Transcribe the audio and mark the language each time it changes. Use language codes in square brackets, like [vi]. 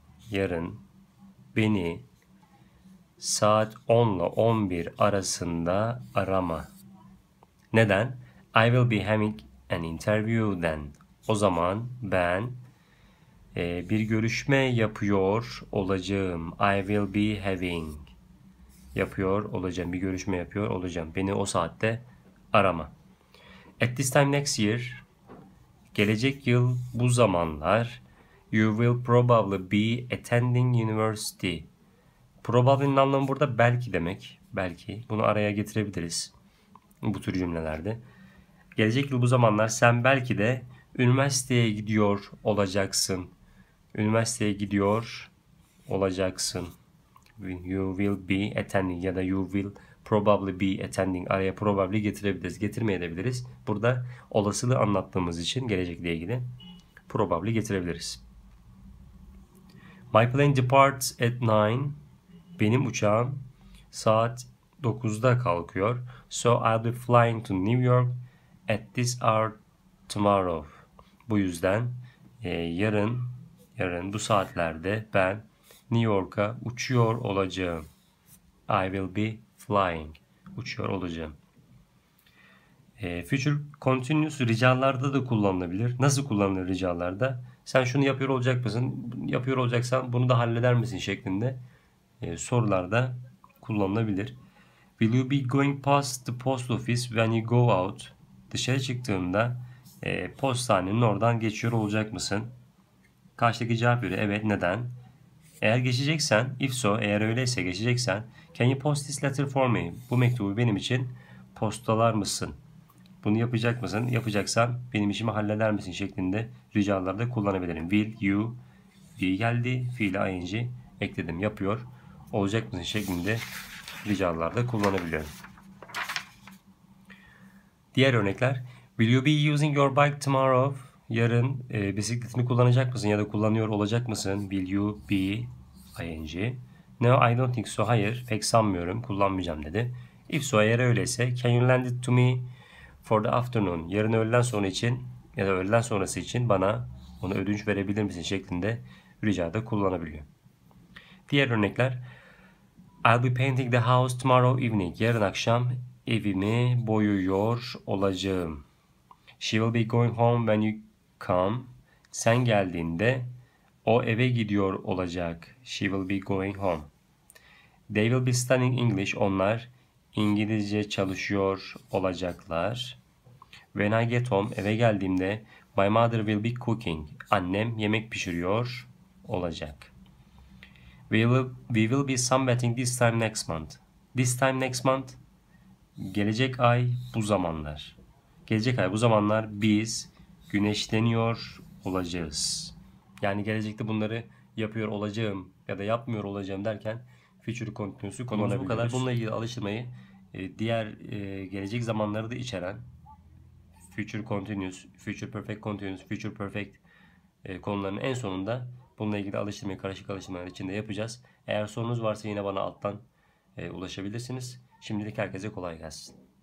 [tr] Yarın beni saat 10 ile 11 arasında arama. Neden? [en] I will be having an interview then. [tr] O zaman ben bir görüşme yapıyor olacağım. [en] I will be having. [tr] Yapıyor olacağım. Bir görüşme yapıyor olacağım. Beni o saatte arama. [en] At this time next year. [tr] Gelecek yıl bu zamanlar [en] you will probably be attending university. [tr] Probably'nin anlamı burada belki demek. Belki. Bunu araya getirebiliriz bu tür cümlelerde. Gelecek yıl bu zamanlar sen belki de üniversiteye gidiyor olacaksın. Üniversiteye gidiyor olacaksın. [en] You will be attending [tr] ya da [en] you will probably be attending. [tr] Araya probably getirebiliriz. Getirmeyebiliriz. Burada olasılığı anlattığımız için gelecekle ilgili probably getirebiliriz. [en] My plane departs at 9. [tr] Benim uçağım saat 9'da kalkıyor. [en] So I'll be flying to New York at this hour tomorrow. [tr] Bu yüzden yarın bu saatlerde ben New York'a uçuyor olacağım. [en] I will be flying. [tr] Uçuyor olacağım. Future continuous ricalarda da kullanılabilir. Nasıl kullanılır ricalarda? Sen şunu yapıyor olacak mısın? Yapıyor olacaksan bunu da halleder misin şeklinde sorularda kullanılabilir. [en] Will you be going past the post office when you go out? [tr] Dışarı çıktığında postanenin oradan geçiyor olacak mısın? Karşıdaki cevap veriyor. Evet, neden? Eğer geçeceksen, [en] if so, [tr] eğer öyleyse geçeceksen, [en] can you post this letter for me? [tr] Bu mektubu benim için postalar mısın? Bunu yapacak mısın? Yapacaksan benim işimi halleder misin şeklinde ricalarda kullanabilirim. [en] Will you, will [tr] geldi, fiili ing ekledim. Yapıyor olacak mısın şeklinde ricalarda kullanabiliyorum. Diğer örnekler. [en] Will you be using your bike tomorrow? [tr] Yarın bisikletini kullanacak mısın ya da kullanıyor olacak mısın? [en] Will you be ing? No, I don't think so. [tr] Hayır, pek sanmıyorum. Kullanmayacağım dedi. [en] If so, [tr] eğer öyleyse. [en] Can you lend it to me for the afternoon? [tr] Yarın öğleden sonra için ya da öğleden sonrası için bana onu ödünç verebilir misin şeklinde ricada kullanabiliyor. Diğer örnekler. [en] I'll be painting the house tomorrow evening. [tr] Yarın akşam evimi boyuyor olacağım. [en] She will be going home when you come. [tr] Sen geldiğinde o eve gidiyor olacak. [en] She will be going home. They will be studying English. [tr] Onlar İngilizce çalışıyor olacaklar. [en] When I get home, [tr] eve geldiğimde [en] my mother will be cooking. [tr] Annem yemek pişiriyor olacak. [en] We will be sunbathing this time next month. This time next month, [tr] gelecek ay bu zamanlar. Gelecek ay bu zamanlar biz güneşleniyor olacağız. Yani gelecekte bunları yapıyor olacağım ya da yapmıyor olacağım derken future continuous'u kullanabiliriz. Bu kadar. Bununla ilgili alıştırmayı diğer gelecek zamanları da içeren future continuous, future perfect konularının en sonunda bununla ilgili alıştırmayı, karışık alıştırmalar içinde yapacağız. Eğer sorunuz varsa yine bana alttan ulaşabilirsiniz. Şimdilik herkese kolay gelsin.